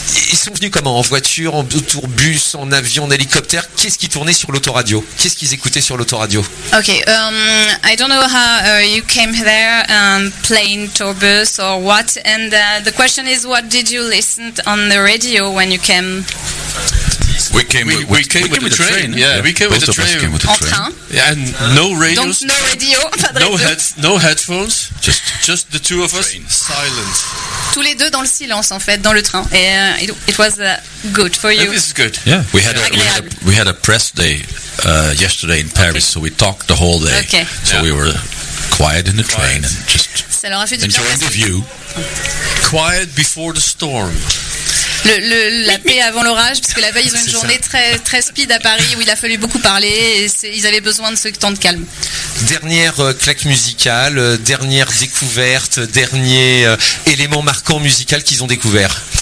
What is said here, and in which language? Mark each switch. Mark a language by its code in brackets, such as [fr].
[fr] Ils sont venus comment? En voiture, en tourbus, en avion, en hélicoptère? Qu'est-ce qui tournait sur l'autoradio? Qu'est-ce qu'ils écoutaient sur l'autoradio? [en] Ok, I don't know how you came there, plane, tourbus or what. And the question is, what did you listen on the radio when you came? We came with the train. Yeah, we came with the train. [fr] En train. [en] And no radio. No radio. No headphones. Just the two of us. Silence. [fr] Tous les deux dans le silence en fait, dans le train. [en] Et it was good for you. It was good. Yeah, we had a press day yesterday in Paris, okay. So we talked the whole day. Okay. So yeah. We were quiet in the train and just enjoying the view. Quiet before the storm. [fr] La paix avant l'orage, parce que la veille, ils ont une journée très, très speed à Paris où il a fallu beaucoup parler et ils avaient besoin de ce temps de calme. Dernière claque musicale, dernière découverte, dernier élément marquant musical qu'ils ont découvert.